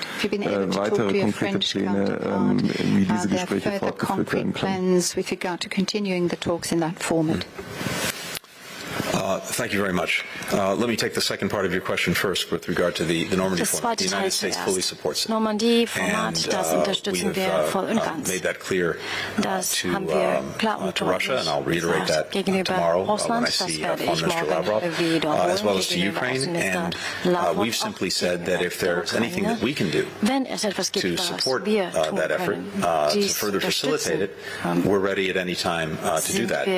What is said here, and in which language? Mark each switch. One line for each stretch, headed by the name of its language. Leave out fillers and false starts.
English: Have you been able to talk to your French counterpart? Are there further concrete plans with regard to continuing the talks in that format? Thank you very much. Let me take the second part of your question first with regard to the Normandy format. The United States fully supports it.
German: Normandy format, das unterstützen wir voll und ganz.
English: Made that clear to Russia, and I'll reiterate that tomorrow when I see Foreign Minister Lavrov, as well as to Ukraine. And we've simply said that if there's anything that we can do to support that effort, to further facilitate it, we're ready at any time to do that.